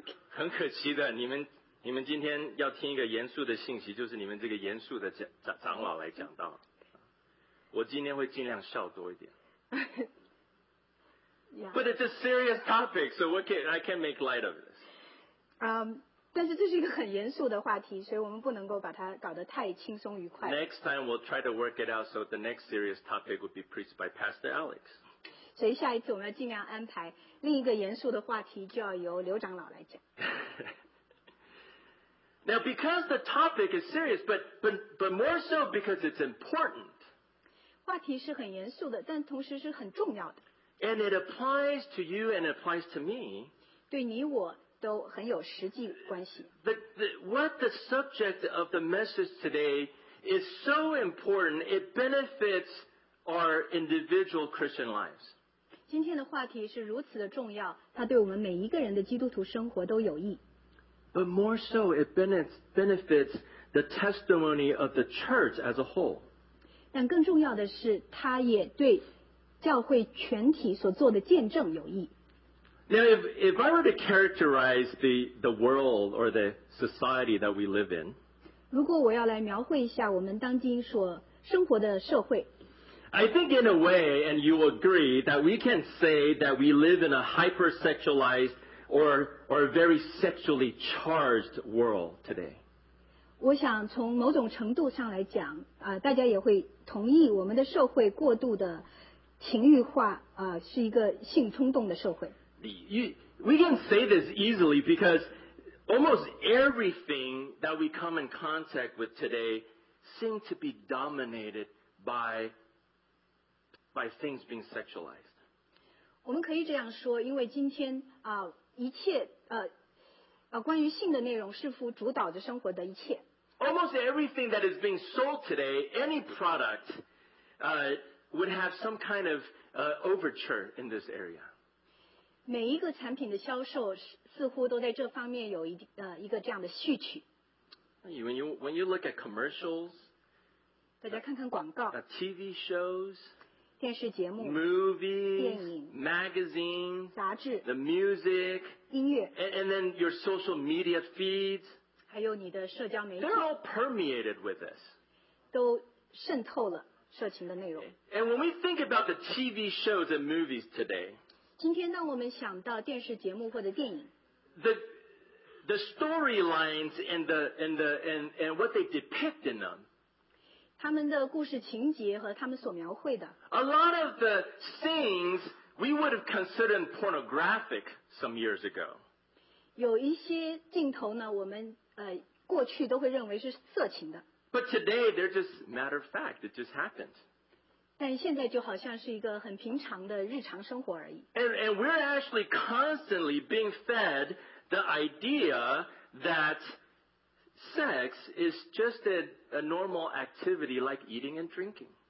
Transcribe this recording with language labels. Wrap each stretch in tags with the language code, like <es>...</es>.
<zh>很可惜的，你们今天要听一个严肃的信息，就是你们这个严肃的长老来讲道。我今天会尽量笑多一点。</zh> <en>Yeah. But it's a serious topic, so I can make light of this.</en> <zh>但是这是一个很严肃的话题，所以我们不能够把它搞得太轻松愉快。</zh> <en>Next time we'll try to work it out so the next serious topic would be preached by Pastor Alex.</en> <zh>所以下一次我们要尽量安排另一个严肃的话题就要由刘长老来讲。</zh> <en>Now because the topic is serious, but more so because it's important.</en> <zh>话题是很严肃的，但同时是很重要的。</zh> <en>And it applies to you and applies to me.</en> <zh>对你我都很有实际关系。</zh> <en>What the subject of the message today is so important, it benefits our individual Christian lives.</en> <zh>今天的话题是如此的重要，它对我们每一个人的基督徒生活都有益。</zh> <en>But more so, it benefits the testimony of the church as a whole.</en> <zh>但更重要的是，他也对教会全体所做的见证有益。</zh> <en>Now, if I were to characterize the world or the society that we live in,</en> <zh>如果我要来描绘一下我们当今所生活的社会</zh> <en>，I think in a way, and you agree that we can say that we live in a hypersexualized or very sexually charged world today.</en> <zh>我想从某种程度上来讲、大家也会同意我们的社会过度的情欲化、是一个性冲动的社会。</zh> <en>We can say this easily because almost everything that we come in contact with today seem to be dominated by things being sexualized.</en> <zh>我们可以这样说，因为今天、一切、关于性的内容似乎主导着生活的一切。</zh> <en>Almost everything that is being sold today, any product, would have some kind of overture in this area.</en> <zh>每一个产品的销售似乎都在这方面有一个这样的序曲。</zh> <en>When you look at commercials,</en> <zh>大家看看广告。</zh> <en>TV shows,</en> <zh>电视节目。</zh> <en>Movies,</en> <zh>电影。</zh> <en>Magazine,</en> <zh>杂志。</zh> <en>The music,</en> <zh>音乐。</zh> <en>And then your social media feeds.</en> <zh>还有你的社交媒体</zh> <en>They're all permeated with this.</en> <zh>都渗透了色情的内容</zh> <en>And when we think about the TV shows and movies today,</en> <zh>今天当我们想到电视节目或者电影</zh> <en>The storylines and what they depict in them,</en> <zh>他们的故事情节和他们所描绘的</zh> <en>A lot of the things we would have considered pornographic some years ago.</en> <zh>有一些镜头呢我们过去都会认为是色情的。</zh> <en>But today they're just matter of fact. It just happened.</en> <zh>但现在就好像是一个很平常的日常生活而已。</zh> <en>And we're actually constantly being fed the idea that sex is just a normal activity like eating and drinking.</en>